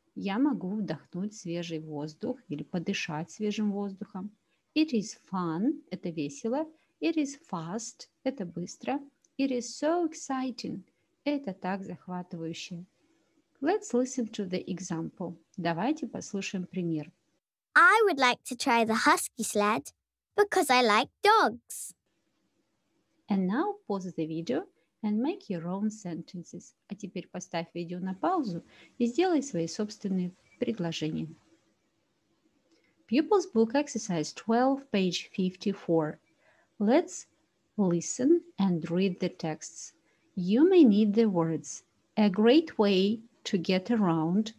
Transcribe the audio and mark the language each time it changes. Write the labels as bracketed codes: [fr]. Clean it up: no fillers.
[ru] Я могу вдохнуть свежий воздух или подышать свежим воздухом. [en] It is fun. [ru] Это весело. [en] It is fast. [ru] Это быстро. [en] It is so exciting. [ru] Это так захватывающе. [en] Let's listen to the example. [ru] Давайте послушаем пример. [en] I would like to try the husky sled because I like dogs. And now pause the video and make your own sentences. [ru] А теперь поставь видео на паузу и сделай свои собственные предложения. [en] Pupil's book exercise 12, page 54. Let's listen and read the texts. You may need the words. A great way to get around.